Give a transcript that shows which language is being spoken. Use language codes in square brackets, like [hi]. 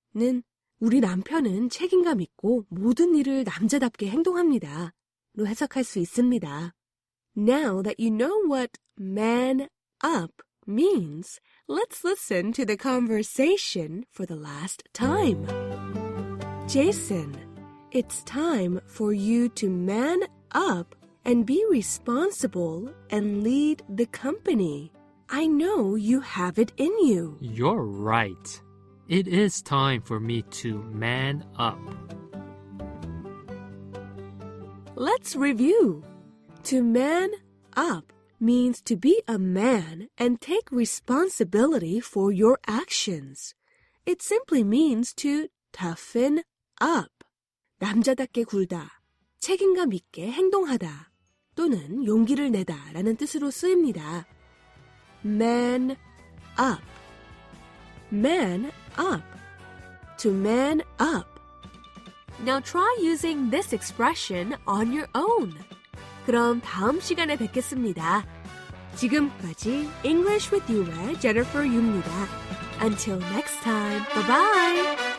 [ko] 는 우리 남편은 책임감 있고 모든 일을 남자답게 행동합니다. 로 해석할 수 있습니다. [en] Now that you know what man up means, let's listen to the conversation for the last time. Jason, it's time for you to man up and be responsible and lead the company. I know you have it in you. You're right. It is time for me to man up. Let's review. To man up means to be a man and take responsibility for your actions. It simply means to toughen up. [ko] 남자답게 굴다, 책임감 있게 행동하다, 또는 용기를 내다 라는 뜻으로 쓰입니다. [en] Man up. Man up. To man up. Now try using this expression on your own. [ko] 그럼 다음 시간에 뵙겠습니다. 지금까지 English with You의 Jennifer Yu입니다. [en] Until next time, bye-bye!